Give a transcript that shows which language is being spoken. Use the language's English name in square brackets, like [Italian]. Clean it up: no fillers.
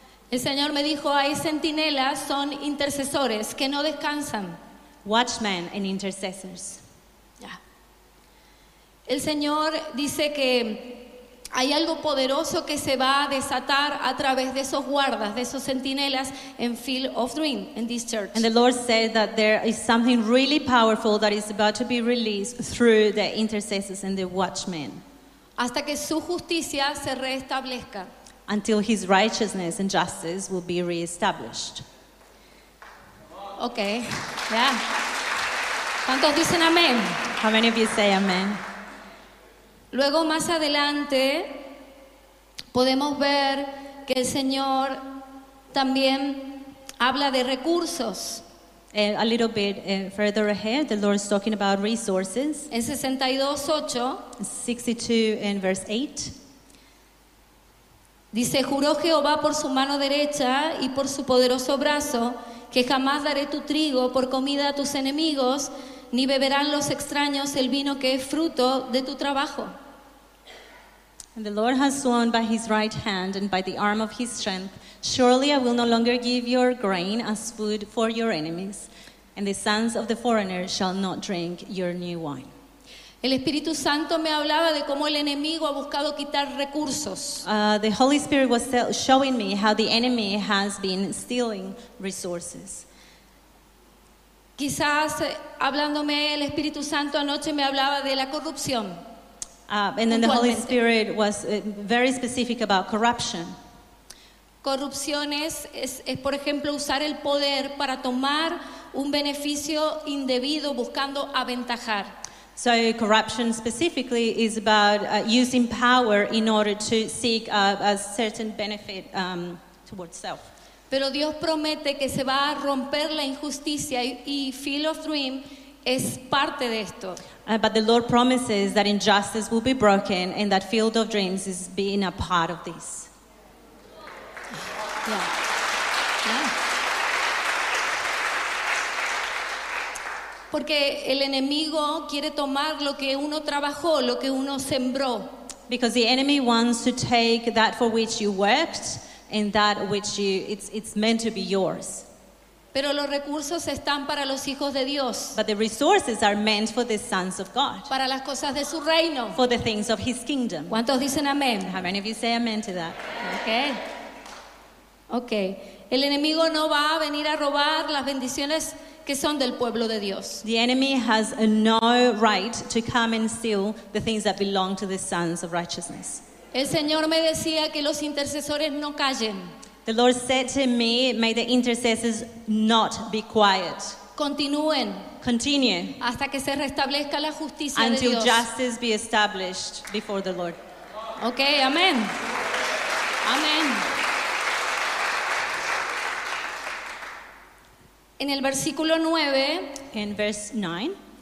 [Spanish] El Señor me dijo, hay centinelas, son intercesores que no descansan. [English] Watchmen and intercessors. [Spanish] Yeah. El Señor dice que hay algo poderoso que se va a desatar a través de esos guardas, de esos centinelas en Field of Dream, [English] in this church. And the Lord said that there is something really powerful that is about to be released through the intercessors and the watchmen. [Spanish] Hasta que su justicia se restablezca. [English] Until his righteousness and justice will be reestablished. [Spanish] Okay, yeah. ¿Cuántos dicen amén? [English] How many of you say amen? [Spanish] Luego, más adelante, podemos ver que el Señor también habla de recursos. [English] A little bit further ahead, the Lord is talking about resources. [Spanish] En 62:8. [English] 62:8. [Spanish] Dice, juró Jehová por su mano derecha y por su poderoso brazo que jamás daré tu trigo por comida a tus enemigos, ni beberán los extraños el vino que es fruto de tu trabajo. [English] And the Lord has sworn by his right hand and by the arm of his strength, surely I will no longer give your grain as food for your enemies, and the sons of the foreigner shall not drink your new wine. [Spanish] El Espíritu Santo me hablaba de cómo el enemigo ha buscado quitar recursos. [English] The Holy Spirit was showing me how the enemy has been stealing resources. [Spanish] Quizás hablándome el Espíritu Santo anoche me hablaba de la corrupción. [English] And then the Holy Spirit was very specific about corruption. [Spanish] Corrupciones es por ejemplo usar el poder para tomar un beneficio indebido buscando aventajar. [English] So corruption specifically is about using power in order to seek a certain benefit towards self. [Spanish] Pero Dios promete que se va a romper la injusticia y Field of Dream es parte de esto. [English] But the Lord promises that injustice will be broken and that Field of Dreams is being a part of this. Yeah. [Spanish] Porque el enemigo quiere tomar lo que uno trabajó, lo que uno sembró. [English] Because the enemy wants to take that for which you worked and that which it's meant to be yours. [Spanish] Pero los recursos están para los hijos de Dios. [English] But the resources are meant for the sons of God. [Spanish] Para las cosas de su reino. [English] For the things of his kingdom. [Spanish] ¿Cuántos dicen amén? [English] How many of you say amen to that? Okay. [Spanish] El enemigo no va a venir a robar las bendiciones que son del pueblo de Dios. [English] The enemy has no right to come and steal the things that belong to the sons of righteousness. [Spanish] El Señor me decía que los intercesores no callen. [English] The Lord said to me, may the intercessors not be quiet. [Spanish] Continúen. [English] Continue. [Spanish] Hasta que se restablezca la justicia de Dios. [English] Until justice be established before the Lord. Okay, amen. Amen. [Spanish] En el versículo 9. [English] In verse 9.